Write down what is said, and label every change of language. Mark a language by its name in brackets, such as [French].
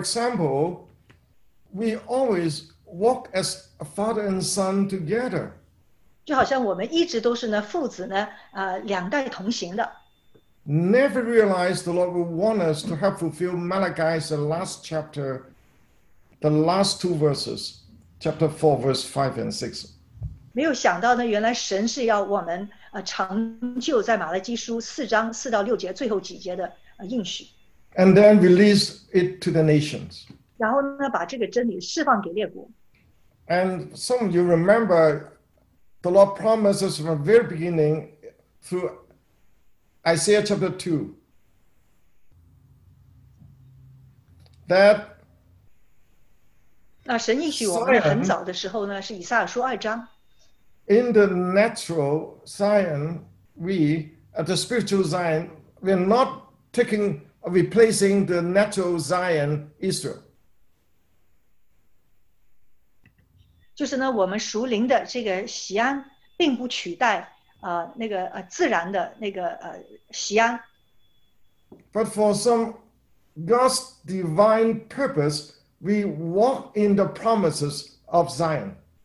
[English] example, we always walk as father and son together. [Chinese] 就好像我们一直都是呢父子呢两代同行的。 [English] Never realized the Lord would want us to have fulfilled Malachi's the last chapter, the last two verses, chapter 4, verse 5 and 6. [Chinese] 没有想到呢，原来神是要我们成就在马拉基书四章四到六节最后几节的应许。 [English] And then release it to the nations. [Chinese] 然后呢，把这个真理释放给列国。 [English] And some of you remember, the Lord promises from the very beginning through Isaiah chapter 2, that [Chinese] 那神应许我们很早的时候呢，是以赛亚书二章。 [English] In the natural Zion, we, at the spiritual Zion, we're not taking, replacing the natural Zion, Israel. [Chinese] 就是呢，我们属灵的这个锡安，并不取代。那个自然的那个锡安。 [English] But for some God's divine purpose, we walk in the promises of Zion.